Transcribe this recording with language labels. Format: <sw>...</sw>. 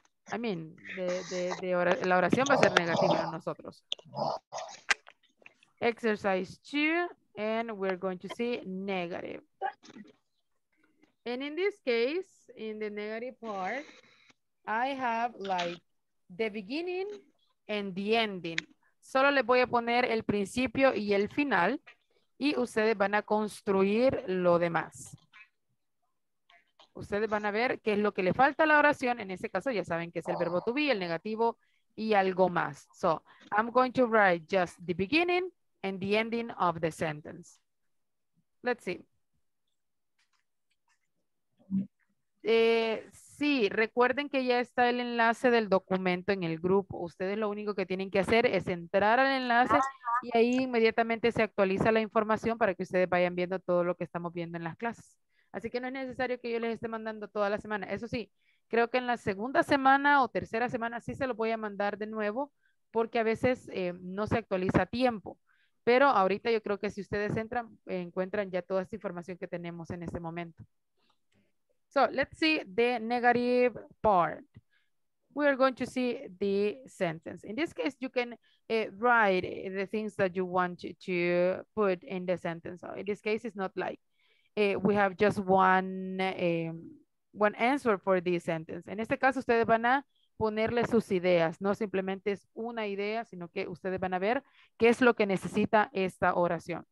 <en>I mean,</en> <es>la oración va a ser negativa a nosotros.</es> <en>Exercise two, and we're going to see negative. And in this case, in the negative part, I have like the beginning and the ending.</en> <es>Solo les voy a poner el principio y el final y ustedes van a construir lo demás. Ustedes van a ver qué es lo que le falta a la oración. En este caso ya saben que es el verbo to be, el negativo y algo más.</es> <en>So I'm going to write just the beginning and the ending of the sentence. Let's see.</en> <es>Sí, recuerden que ya está el enlace del documento en el grupo. Ustedes lo único que tienen que hacer es entrar al enlace y ahí inmediatamente se actualiza la información para que ustedes vayan viendo todo lo que estamos viendo en las clases. Así que no es necesario que yo les esté mandando toda la semana. Eso sí, creo que en la segunda semana o tercera semana sí se lo voy a mandar de nuevo porque a veces no se actualiza a tiempo. Pero ahorita yo creo que si ustedes entran, encuentran ya toda esta información que tenemos en este momento.</es> <en>So let's see the negative part. We are going to see the sentence. In this case, you can write the things that you want to put in the sentence. So in this case, it's not like we have just one answer for this sentence.</en> <es>En este caso, ustedes van a ponerle sus ideas. No simplemente es una idea, sino que ustedes van a ver qué es lo que necesita esta oración.</es>